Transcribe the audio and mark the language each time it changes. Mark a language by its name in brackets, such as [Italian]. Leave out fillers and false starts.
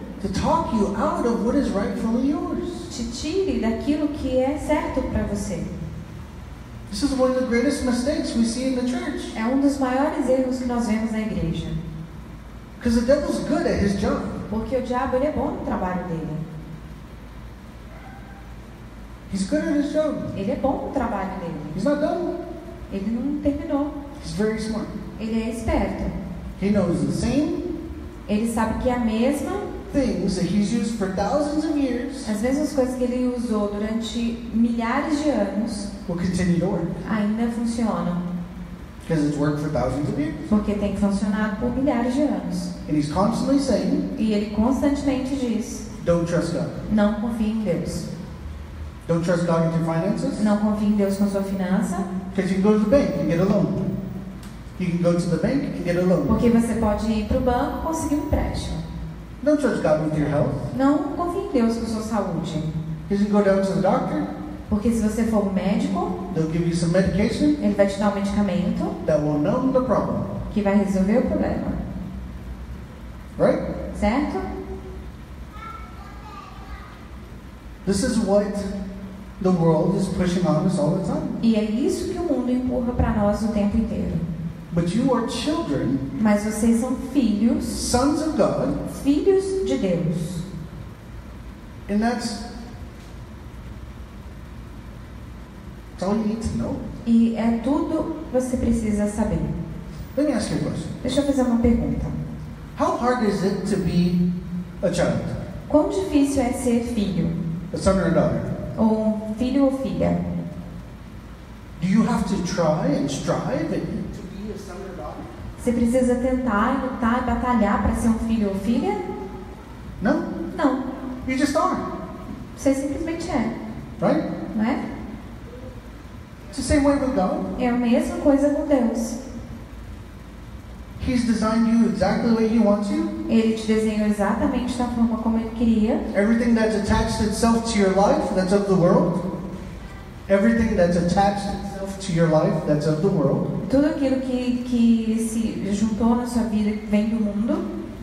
[English] to talk you out of what is rightfully yours. [Portuguese] Te tire daquilo que é certo para você. [English] This is one of the greatest mistakes we see in the church. [Portuguese] É um dos maiores erros que nós vemos na igreja. [English] Because the devil's good at his job. [Portuguese] Porque o diabo, ele é bom no trabalho dele. [English] He's good at his job. [Portuguese] Ele é bom no trabalho dele. [English] He's not done. [Portuguese] Ele não terminou. [English] He's very smart. [Portuguese] Ele é esperto. [English] He knows the same. [Portuguese] Ele sabe que é a mesma. [English] Things that he's used for thousands of years. [Portuguese] As mesmas coisas que ele usou durante milhares de anos. [English] Will continue to work. [Portuguese] Ainda funcionam. [English] Because it's worked for thousands of years. [Portuguese] Porque tem funcionado por milhares de anos. [English] And he's constantly saying. [Portuguese] E ele constantemente diz. [English] Don't trust God. [Portuguese] Não confie em Deus. [English] Don't trust God with your finances. [Portuguese] Não confie em Deus com sua finança. [English] Because you can go to the bank and get a loan. You can go to the bank and get a loan. [Portuguese] Porque você pode ir pro banco e conseguir empréstimo. [English] Don't trust God with your health. [Portuguese] Não confie em Deus com sua saúde. [English] Because you can go down to the doctor. [Portuguese] Porque se você for médico, [English] they'll give you some medication. [Portuguese] Ele vai te dar um medicamento. [English] That will numb the problem. [Portuguese] Que vai resolver o problema. [English] Right? [Portuguese] Certo? [English] This is what the world is pushing on us all the time. [Portuguese] E é isso que o mundo empurra para nós o tempo inteiro. [English] But you are children. [Portuguese] Mas vocês são filhos. [English] Sons of God. [Portuguese] Filhos de Deus. [English] And that's all you need to know. [Portuguese] E é tudo que você precisa saber. [English] Let me ask you a question. [Portuguese] Deixa eu fazer uma pergunta. [English] How hard is it to be a child? [Portuguese] Quão difícil é ser filho? [English] A son or a daughter? [Portuguese] Ou filho ou filha? [English] Do you have to try and strive and to be a son or daughter? [Portuguese] Você precisa tentar, lutar, batalhar para ser um filho ou filha? Não. Não. [English] You just are. [Portuguese] Você simplesmente é. [English] Right? [Portuguese] Não é? [English] It's the same way with God. [Portuguese] É a mesma coisa com Deus. [English] He's designed you exactly the way he wants you. [Portuguese] Ele te desenhou exatamente da forma como ele queria. [English] Everything that's attached itself to your life, that's of the world. Everything that's attached itself to your life, that's of the world. [Portuguese] Tudo aquilo que se juntou na sua vida vem do mundo.